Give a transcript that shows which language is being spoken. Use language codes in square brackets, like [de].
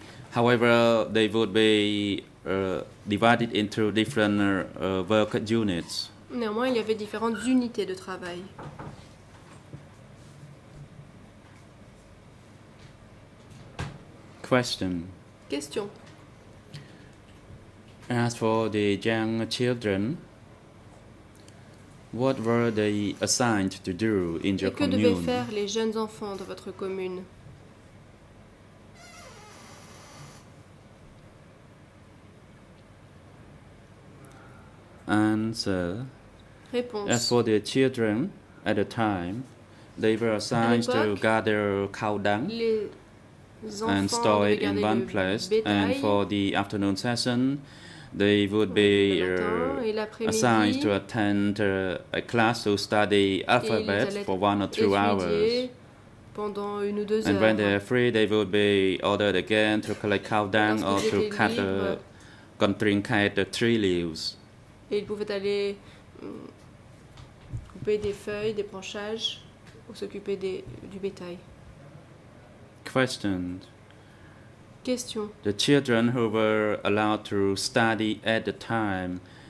[en] However, they would be divided into different work units. [fr] Néanmoins, il y avait différentes unités de travail. [en] Question. [fr] Question. [en] As for the young children, what were they assigned to do in your commune? [fr] Et que devaient faire les jeunes enfants de votre commune? [en] Answer. [fr] Réponse. [en] As for the children, at the time, they were assigned to gather cow dung and store it in one place. And for the afternoon session, they would be assigned to attend a class to study alphabet for 1 or 2 hours. [fr] pendant une ou deux [en] and [fr] heures. [en] And when they're free, they will be ordered again to collect cow dung or to cut the contrincate the tree leaves. [fr] Et ils pouvaient aller couper des feuilles, des branchages, ou s'occuper du bétail. [en] Question. [fr] Question. [en] The children who were allowed to study at the time,